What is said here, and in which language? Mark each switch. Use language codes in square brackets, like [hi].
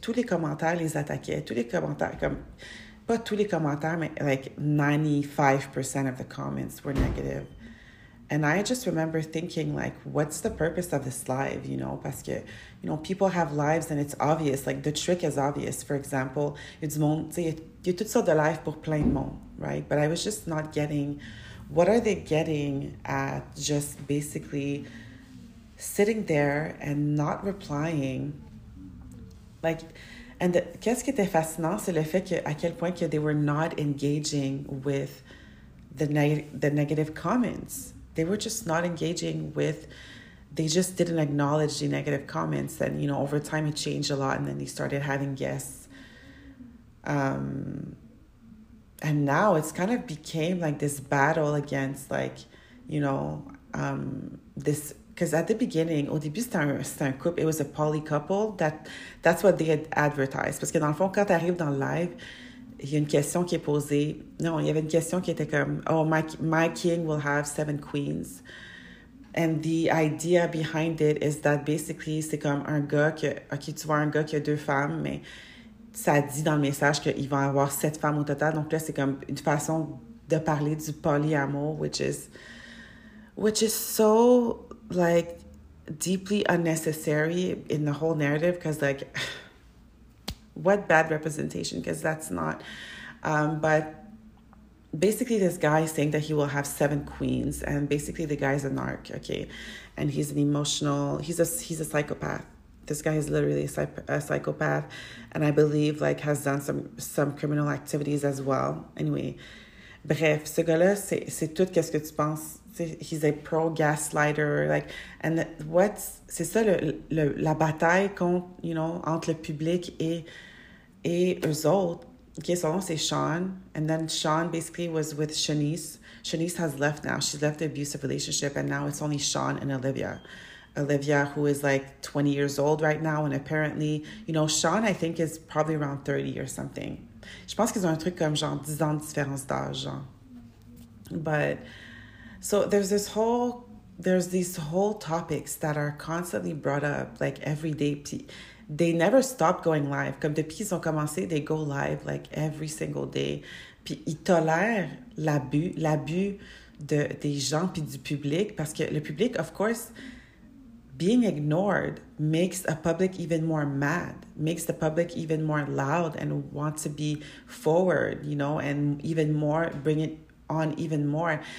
[fr] Tous les commentaires les attaquaient. Tous les commentaires, comme, pas tous les commentaires, mais [en] like 95% of the comments were negative. And I just remember thinking, like, what's the purpose of this live, you know? [fr] Parce que, [en] you know, people have lives and it's obvious. Like, the trick is obvious. For example, [fr] il y a du monde, tu sais, il y a toutes sortes de lives pour plein de monde, right? [en] But I was just not getting, what are they getting at just basically sitting there and not replying? Like, and [fr] qu'est-ce qui était fascinant, c'est le fait que, à quel point que [en] they were not engaging with the negative comments. They were just not engaging with, they just didn't acknowledge the negative comments. And, you know, over time it changed a lot. And then they started having guests. And now it's kind of became like this battle against, like, you know, this, because at the beginning, [fr] au début, c'était un couple, [en] it was a poly couple. That's what they had advertised. [fr] Parce que dans le fond, quand tu arrives dans le live, il y a une question qui est posée. Non, il y avait une question qui était comme, [en] oh, my king will have 7 queens. And the idea behind it is that basically, [fr] c'est comme un gars que, OK, tu vois un gars qui a 2 femmes, mais ça dit dans le message qu'il va avoir 7 femmes au total. Donc là, c'est comme une façon de parler du polyamour, [en] which is so, like, deeply unnecessary in the whole narrative, because, like, what bad representation, because that's not. But basically, this guy is saying that he will have 7 queens, and basically the guy's a narc, okay? And he's an emotional, he's a psychopath. This guy is literally a psychopath, and I believe, like, has done some criminal activities as well. [fr] Anyway, bref, ce gars-là, c'est tout qu'est-ce que tu penses. [en] He's a pro-gaslighter, like, and [fr] c'est ça la bataille contre, you know, entre le public et eux autres. [en] Okay, [fr] son nom, c'est Sean. [en] And then Sean basically was with Shanice. Shanice has left now. She's left the abusive relationship, and now it's only Sean and Olivia. Olivia, who is like 20 years old right now, and apparently, you know, Sean, I think, is probably around 30 or something. [fr] Je pense qu'ils ont un truc comme genre 10 ans de différence d'âge, genre. [en] But, so there's these whole topics that are constantly brought up, like, every day. They never stop going live. [fr] Comme depuis qu'ils ont commencé, [en] they go live, like, every single day. [fr] Puis ils tolèrent l'abus des gens puis du public, parce que le public, [en] of course, being ignored makes a public even more mad, makes the public even more loud and want to be forward, you know, and even more, bring it on even more.